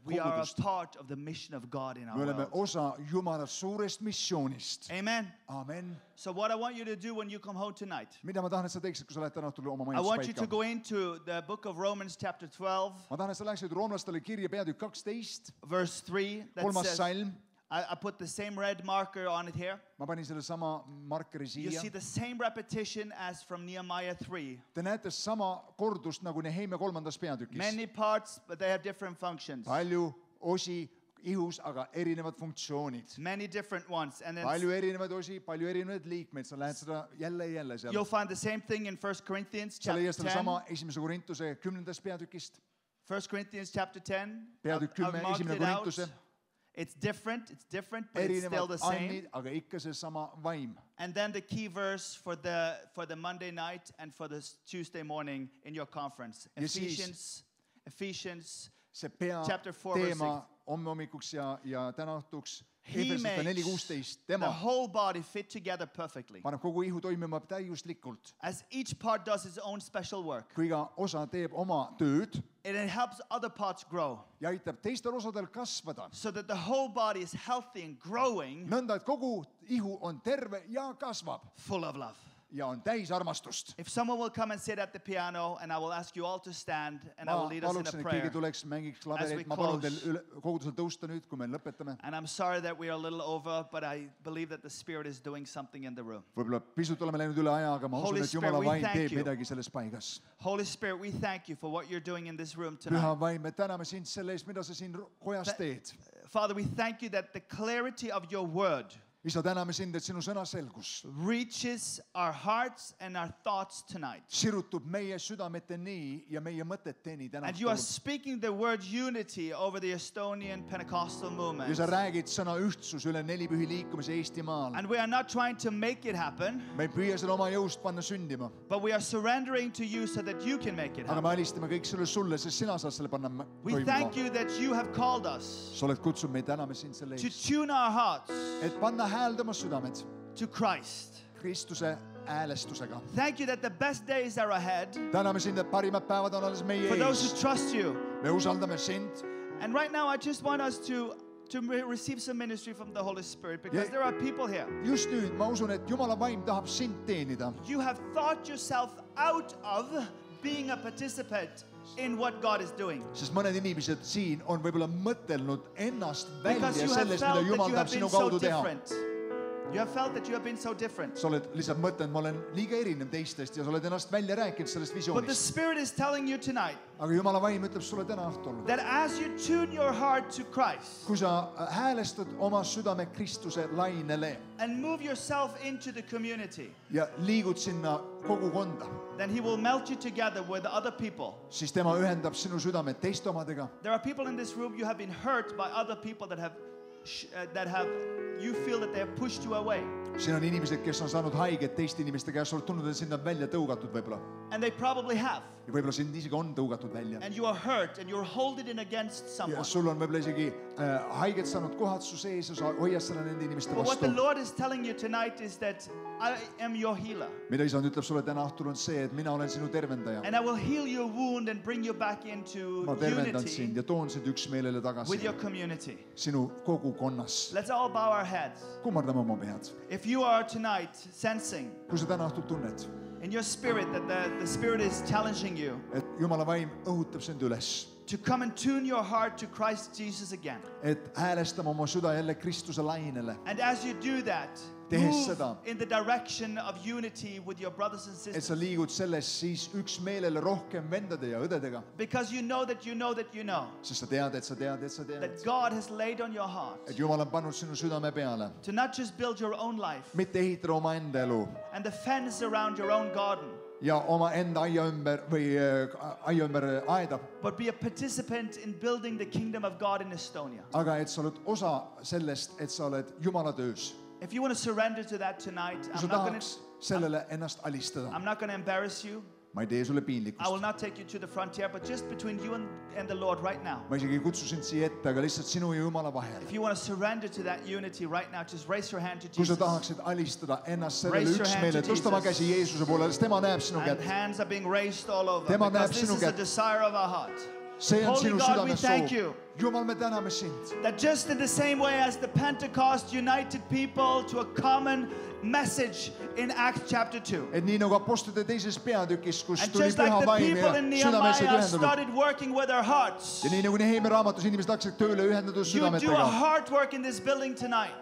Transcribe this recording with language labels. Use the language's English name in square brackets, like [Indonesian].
[English] kogudust. We are a part of the mission of God in our [Estonian] world. Me oleme [English] world. [Estonian] Osa Jumala suurest missioonist. Amen. Amen. [English] So what I want you to do when you come home tonight. [Estonian] Mida ma tahan, et sa teeksid, kui sa lähed täna õhtul oma majas paika. [English] I want you to go into the book of Romans chapter 12. [Estonian] Ma tahan, et sa läheksid roomlastele kirja peatükk 12. [English] Verse 3. That [Estonian] kolmas salm. [English] I put the same red marker on it here. [Estonian] Ma panin selle sama markeri siia. [English] You see the same repetition as from Nehemiah 3. [Estonian] Te näete sama kordust nagu Nehemia kolmandas peatükis. [English] Many parts, but they have different functions. [Estonian] Palju osi ihus, aga erinevad funktsioonid. [English] Many different ones. And [Estonian] palju erinevad osi, palju erinevad liikmed. Sa lähed seda jälle jälle seal. [English] You'll find the same thing in 1 Corinthians chapter 10. [Estonian] Sa leiad sama esimese Korintuse kümnendas peatükist. [English] 1 Corinthians chapter 10. [Estonian] Peatükk 10, esimene Korintuse. [English] It's different, but erinevad it's still the same. [Estonian] Aga ikka see sama vaim. [English] And then the key verse for the Monday night and for the Tuesday morning in your conference. [Estonian] Ja [English] Ephesians [Estonian] see pea [English] chapter 4 [Estonian] teema [English] verse 6. [Estonian] Omme hommikuks ja tänahtuks. [English] He makes the whole body fit together perfectly. [Estonian] Paneb kogu ihu toimima täiuslikult. [English] As each part does its own special work. [Estonian] Kui iga osa teeb oma tööd. [English] And it helps other parts grow. [Estonian] Ja aitab teistel osadel kasvada. [English] So that the whole body is healthy and growing. [Estonian] Nõnda, et kogu ihu on terve ja kasvab. [English] Full of love. [Estonian] Ja on täis armastust. [English] If someone will come and sit at the piano and I will ask you all to stand and I will lead us in a prayer. [Estonian] Tuleks, mängiks klaveri, [English] as we close. [Estonian] Kogudusel tõusta nüüd, kui me lõpetame. [English] And I'm sorry that we are a little over, but I believe that the Spirit is doing something in the room. [Estonian] Võib-olla pisut oleme läinud üle aja, aga ma [English] Holy [Estonian] usun, et Jumala [English] Spirit, [Estonian] vain teeb midagi selles paigas. [English] Holy Spirit, we thank you for what you're doing in this room tonight. [Estonian] Püha vain, me täname sind selle eest, mida sa siin kojas teed. [English] Father, we thank you that the clarity of your word [Estonian] Isa, täname sind, et sinu sõna selgus. [English] Reaches our hearts and our thoughts tonight. [Estonian] Sirutub meie südamete nii ja meie mõtete nii tänast. [English] And you are speaking the word unity over the Estonian Pentecostal movement. [Estonian] Ja sa räägid sõna ühtsus üle nelipühi liikumise Eestimaal. [English] And we are not trying to make it happen. [Estonian] Me ei püüa seda oma jõust panna sündima. [English] But we are surrendering to you so that you can make it happen. [Estonian] Aga me alistame kõik sulle, sest sina saad selle panna [English] We thank you that you have called us. [Estonian] Sa oled kutsunud meid, täname sind selle [English] eest. To tune our hearts. [Estonian] Et panna hääldama südamed [English] to Christ. [Estonian] Kristuse äälestusega. [English] Thank you that the best days are ahead. [Estonian] Täname sind, et parimad päevad on alles meie ees. [English] For those who trust you. [Estonian] Me usaldame sind. [English] And right now I just want us to receive some ministry from the Holy Spirit because there are people here. [Estonian] Just nüüd ma usun, et Jumala vaim tahab sind teenida. [English] You have thought yourself out of being a participant in what God is doing. [Estonian] Sest mõned inimesed siin on võib-olla mõtelnud ennast välja selles, mida Jumal tahab sinu kaudu teha. [English] You have felt that you have been so different. [Estonian] Sa oled lihtsalt mõtlen, ma olen liiga erinev teistest ja sa oled ennast välja rääkinud sellest visioonist. [English] But the Spirit is telling you tonight. [Estonian] Aga Jumala vaim ütleb sulle täna õhtul. [English] That as you tune your heart to Christ. [Estonian] Kui sa häälestad oma südame Kristuse lainele. [English] And move yourself into the community. [Estonian] Ja liigud sinna kogukonda. [English] Then he will melt you together with other people. [Estonian] Siis tema ühendab sinu südame teistomadega. [English] There are people in this room you have been hurt by other people that have that have you feel that they have pushed you away. [Estonian] Siin on inimesed, kes on saanud haiget teiste inimeste käest, olet tunnud, et sind on välja tõugatud võibolla. [English] And they probably have. [Estonian] Ja võibolla sind isegi on tõugatud välja. [English] And you are hurt and you're holding it against someone. [Estonian] Ja sul on võibolla isegi haiget saanud kohad su sees ja sa hoias seda nende inimeste vastu. [English] But what the Lord is telling you tonight is that I am your healer. [Estonian] Mida isand ütleb sulle täna õhtul on see, et mina olen sinu tervendaja. [English] And I will heal your wound and bring you back into [Estonian] ma tervendan sind ja toon sind üks meelele tagasi. [English] With your community. [Estonian] Sinu kogukonnas. [English] Let's all bow our heads. [Estonian] Kumardame oma pead. [English] If you are tonight sensing [Estonian] kui sa täna õhtul tunned [English] in your spirit that the spirit is challenging you [Estonian] et Jumala vaim õhutab sind üles [English] to come and tune your heart to Christ Jesus again [Estonian] et häälestama oma süda jälle Kristuse lainele [English] and as you do that Move in the direction of unity with your brothers and sisters. [Estonian] Et sa liigud selles siis üks meelele rohkem vendade ja õdedega. [English] Because you know that you know that you know. [Estonian] Sest sa tead, et sa tead, et sa tead. [English] That God has laid on your heart. [Estonian] Et Jumal on pannud sinu südame peale. [English] To not just build your own life. [Estonian] Mitte ehitada oma enda elu. [English] And the fence around your own garden. [Estonian] Ja oma enda aia ümber või aia ümber aeda. [English] But be a participant in building the kingdom of God in Estonia. [Estonian] Aga et sa oled osa sellest, et sa oled Jumala töös. [English] If you want to surrender to that tonight, I'm not going to embarrass you. [Estonian] Ma ei tee sulle piinlikust. [English] I will not take you to the frontier, but just between you and the Lord right now. [Estonian] Ma isegi kutsu sind siia ette, aga lihtsalt sinu ja Jumala vahel. [English] If you want to surrender to that unity right now, just raise your hand to Jesus. [Estonian] Kui sa tahaksid alistada ennast sellele üksmeele, tõsta oma käsi Jeesuse poole, sest tema näeb sinu kätt. [English] And hands are being raised all over. [Estonian] Tema näeb sinu kätt. [English] This is a desire of our heart. [Estonian] See on sinu südame soov. [English] Holy God, we thank you. [Estonian] Jumal, me täname sind. [English] That just in the same way as the Pentecost united people to a common message in Acts chapter 2. [Estonian] Et nii nagu apostlite teises peatükis, kus [English] and [Estonian] tuli püha vaim ja südamesed [English] started working with their hearts. [Estonian] Ja nii nagu Nehemia raamatus inimesed hakkasid tööle ühendatud südametega. [English] You do a heart work in this building tonight.